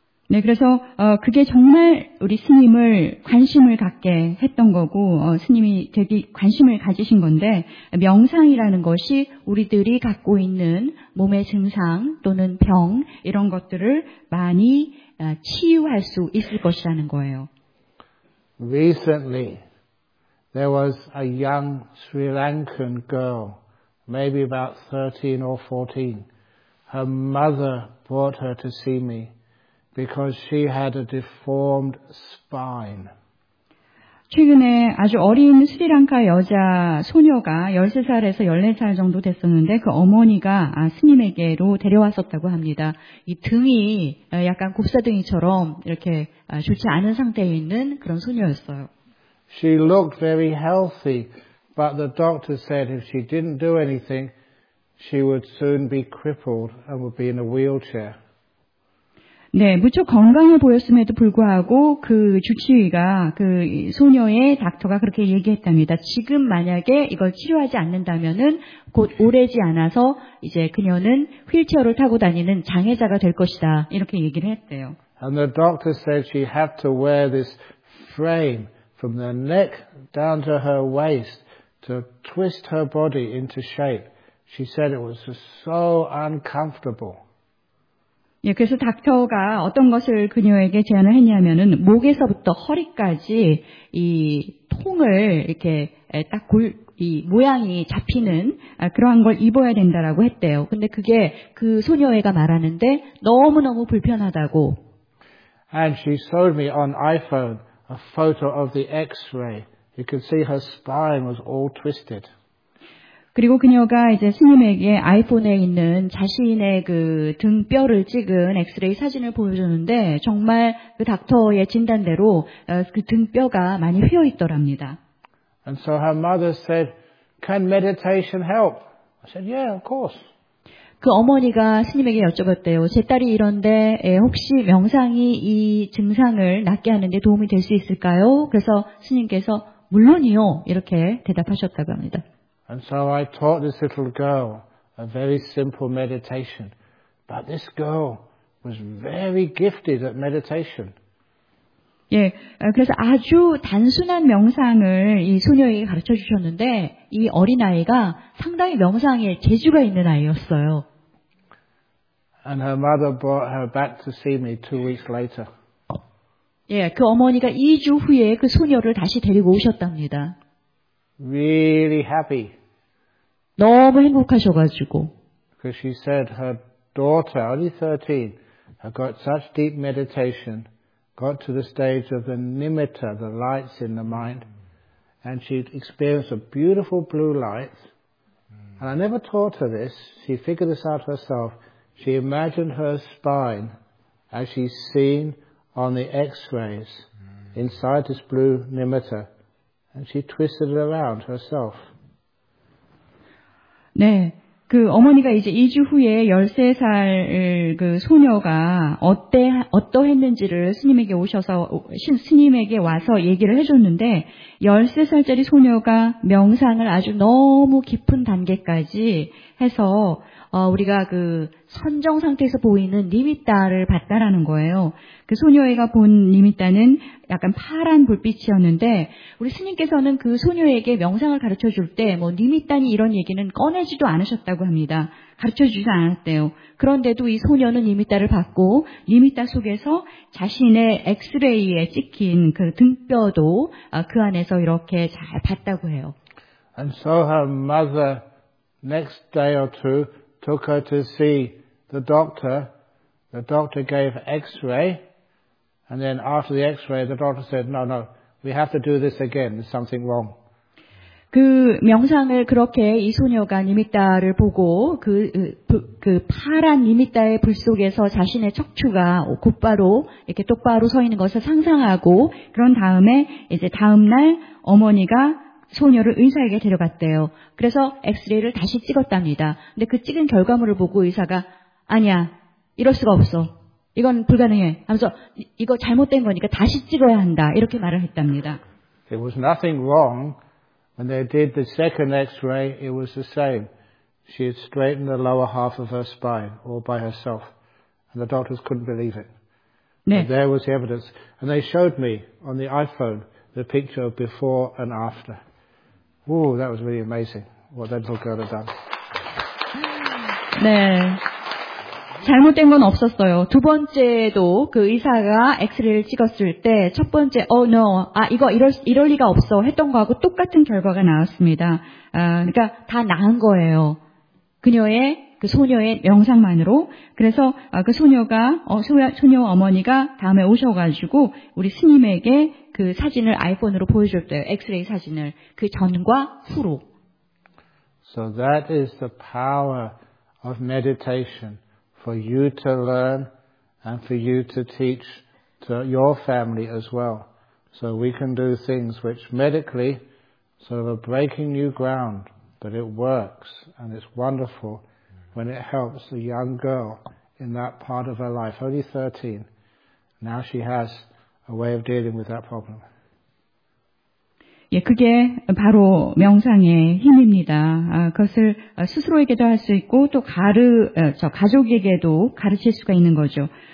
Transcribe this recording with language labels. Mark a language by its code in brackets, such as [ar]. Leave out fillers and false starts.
[ko] 네, 그래서 그게 정말 우리 스님을 관심을 갖게 했던 거고 스님이 되게 관심을 가지신 건데 명상이라는 것이 우리들이 갖고 있는 몸의 증상 또는 병 이런 것들을 많이 치유할 수 있을 것이라는 거예요. [en] Recently, there was a young Sri Lankan girl, maybe about 13 or 14. Her mother brought her to see me because she had a deformed spine. [ko] 최근에 아주 어린 스리랑카 여자 소녀가 13살에서 14살 정도 됐었는데 그 어머니가 스님에게로 데려왔었다고 합니다. 이 등이 약간 곱사등이처럼 이렇게 좋지 않은 상태에 있는 그런 소녀였어요. [en] She looked very healthy, but the doctor said if she didn't do anything, she would soon be crippled and would be in a wheelchair. [ko] 네, 무척 건강해 보였음에도 불구하고 그 주치의가 그 소녀의 닥터가 그렇게 얘기했답니다. 지금 만약에 이걸 치료하지 않는다면은 곧 오래지 않아서 이제 그녀는 휠체어를 타고 다니는 장애자가 될 것이다. 이렇게 얘기를 했대요. [en] And the doctor said she had to wear this frame from the neck down to her waist to twist her body into shape. She said it was so uncomfortable. [ko] 예, 그래서 닥터가 어떤 것을 그녀에게 제안을 했냐면은 목에서부터 허리까지 이 통을 이렇게 딱 골 이 모양이 잡히는 그러한 걸 입어야 된다라고 했대요. 근데 그게 그 소녀애가 말하는데 너무너무 불편하다고. [en] And she showed me on iPhone a photo of the x-ray. You could see her spine was all twisted. [ko] 그리고 그녀가 이제 스님에게 아이폰에 있는 자신의 그 등뼈를 찍은 엑스레이 사진을 보여줬는데 정말 그 닥터의 진단대로 그 등뼈가 많이 휘어 있더랍니다. [en] And so her mother said, "Can meditation help?" I said, "Yeah, of course." [ko] 그 어머니가 스님에게 여쭤봤대요. 제 딸이 이런데 혹시 명상이 이 증상을 낫게 하는 데 도움이 될 수 있을까요? 그래서 스님께서 물론이요. 이렇게 대답하셨다고 합니다. [en] And so I taught this little girl a very simple meditation. But this girl was very gifted at meditation. [ko] 예, 그래서 아주 단순한 명상을 이 소녀에게 가르쳐 주셨는데 이 어린아이가 상당히 명상에 재주가 있는 아이였어요. [en] And her mother brought her back to see me 2 weeks later. [ko] 예, 그 어머니가 2주 후에 그 소녀를 다시 데리고 오셨답니다. [en] Really happy. [ko] 너무 행복하셔가지고. [en] Because she said her daughter, only 13, had got such deep meditation got to the stage of the nimitta, the lights in the mind, and she experienced a beautiful blue light. And I never taught her this. She figured this out herself. She imagined her spine as she's seen on the x-rays inside this blue nimitta. And she twisted it around herself. [ko] 네. 그 어머니가 이제 2주 후에 13살 그 소녀가 어떠했는지를 스님에게 오셔서 스님에게 와서 얘기를 해줬는데 13살짜리 소녀가 명상을 아주 너무 깊은 단계까지 해서 우리가 그 선정 상태에서 보이는 니미타를 봤다라는 거예요. 그 소녀애가 본 니미타는 약간 파란 불빛이었는데 우리 스님께서는 그 소녀에게 명상을 가르쳐 줄 때 뭐 니미타니 이런 얘기는 꺼내지도 않으셨다고 합니다. 가르쳐 주지도 않았대요. 그런데도 이 소녀는 니미타를 봤고 니미타 속에서 자신의 엑스레이에 찍힌 그 등뼈도 그 안에서 이렇게 잘 봤다고 해요. [en] And so her mother next day or two took her to see the doctor. The doctor gave x-ray, and then after the x-ray, the doctor said, no, no, we have to do this again. There's something wrong. [ko] 그 명상을 그렇게 이 소녀가 니미타를 보고 그 파란 니미타의 불 속에서 자신의 척추가 곧바로 이렇게 똑바로 서 있는 것을 상상하고 그런 다음에 이제 다음날 어머니가 소녀를 의사에게 데려갔대요. 그래서 엑스레이를 다시 찍었답니다. 근데 그 찍은 결과물을 보고 의사가 아니야, 이럴 수가 없어. 이건 불가능해. 하면서 이거 잘못된 거니까 다시 찍어야 한다. 이렇게 말을 했답니다. [en] There was nothing wrong when they did the second x-ray. It was the same. She had straightened the lower half of her spine all by herself. And the doctors couldn't believe it. [ko] 네. [en] And there was the evidence. And they showed me on the iPhone the picture of before and after. Oh, that was really amazing what that little girl had done. [ko] 네. 잘못된 건 없었어요. 두 번째도 그 의사가 엑스레이를 찍었을 때 첫 번째 [en] oh no, [ko] 아 이거 이럴 리가 없어 했던 거하고 똑같은 결과가 나왔습니다. 그러니까 다 나은 거예요. 그녀의 그 소녀의 명상만으로 그래서 그 소녀가 소녀 어머니가 다음에 오셔가지고 우리 스님에게 그 사진을 아이폰으로 보여줬대요. 엑스레이 사진을 그 전과 후로. [en] So that is the power of meditation. For you to learn and for you to teach to your family as well. So we can do things which medically sort of are breaking new ground, but it works and it's wonderful when it helps a young girl in that part of her life. Only 13. Now she has a way of dealing with that problem. [ko] 예, 그게 바로 명상의 힘입니다. 그것을 스스로에게도 할 수 있고 또 가족에게도 가르칠 수가 있는 거죠.